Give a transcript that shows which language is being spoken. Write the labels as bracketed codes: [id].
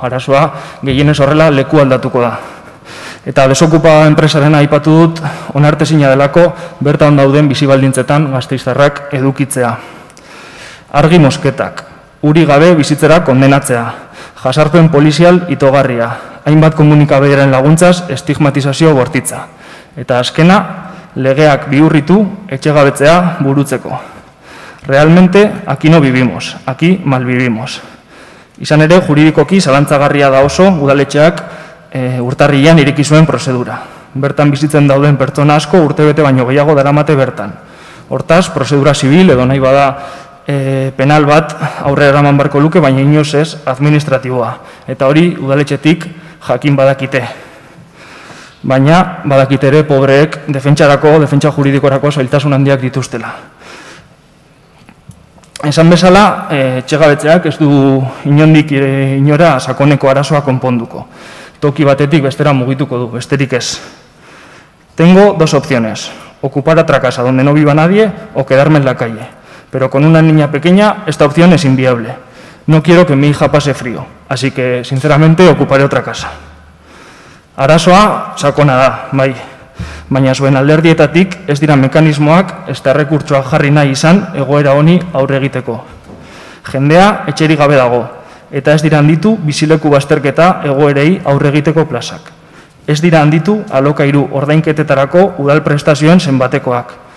[eu] Arazoa gehienez horrela leku aldatuko da. Eta desokupa enpresaren aipatu dut onartezina delako bertan dauden bizibaldintzetan gasteiztarrak edukitzea. Argi mosketak, uri gabe bizitzera kondenatzea, jasarpen polizial itogarria, hainbat komunikabideren laguntzaz estigmatizazio bortitza. Eta azkena, legeak bihurritu etxegabetzea burutzeko. [es] Realmente, aquí no vivimos, aquí mal vivimos. [eu] Izan ere, juridikoki zalantzagarria da oso udaletxeak urtarrilean ireki zuen prozedura. Bertan bizitzen dauden pertsona asko urtebete baino gehiago daramate bertan. Hortaz, prozedura zibil edo nahi bada penal bat aurrera eraman barko luke, baina inoz ez administratiboa. Eta hori udaletxetik jakin badakite. Baina badakite ere pobreek defentsarako, defentsa juridikorako zailtasun handiak dituztela. Esan bezala, txegabetzeak ez du inondik inora sakoneko arazoa konponduko. Toki batetik bestera mugituko du, besterik ez. [es] Tengo dos opciones. Ocupar otra casa donde no viva nadie o quedarme en la calle. Pero con una niña pequeña esta opción es inviable. No quiero que mi hija pase frío. Así que, sinceramente, ocuparé otra casa. [eu] Arazoa, sakona da, bai. Baina zuen alderdietatik ez dira mekanismoak ez da rekurtsoa jarri nahi izan egoera honi aurre egiteko. Jendea etxerik gabe dago, eta ez dira handitu bizileku bazterketa egoerei aurre egiteko plazak. Ez dira handitu alokairu ordainketetarako udal prestazioen zenbatekoak.